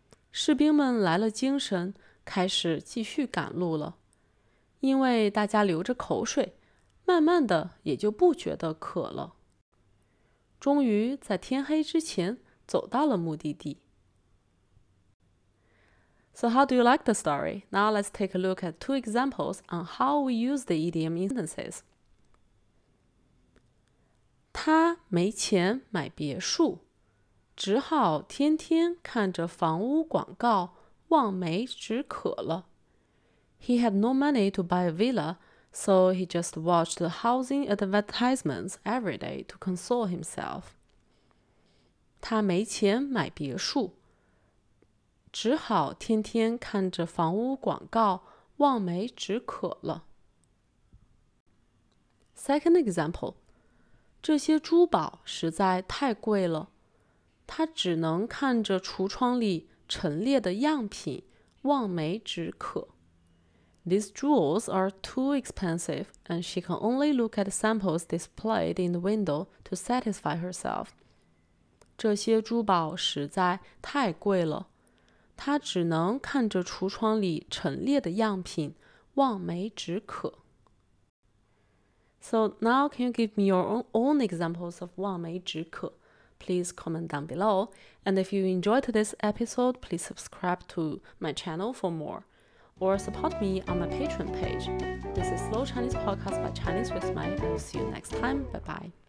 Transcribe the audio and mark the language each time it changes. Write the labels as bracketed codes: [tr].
[zh] 士兵们来了精神，开始继续赶路了。因为大家流着口水，慢慢的也就不觉得渴了。终于在天黑之前走到了目的地。 [en] So how do you like the story? Now let's take a look at two examples on how we use the idiom in sentences. [zh] 他没钱买别墅，只好天天看着房屋广告，望梅止渴了。 [en] He had no money to buy a villa, so he just watched the housing advertisements every day to console himself. [zh] 他没钱买别墅，只好天天看着房屋广告，望梅止渴了。 [en] Second example, [zh] 这些珠宝实在太贵了，他只能看着橱窗里陈列的样品，望梅止渴。 [en] These jewels are too expensive, and she can only look at samples displayed in the window to satisfy herself. [zh] 这些珠宝实在太贵了，她只能看着橱窗里陈列的样品，望梅止渴。 [en] So now can you give me your own examples of 望梅止渴? Please comment down below. And if you enjoyed this episode, please subscribe to my channel for more. Or support me on my Patreon page. This is Slow Chinese Podcast by Chinese with Mai. I'll see you next time. Bye bye.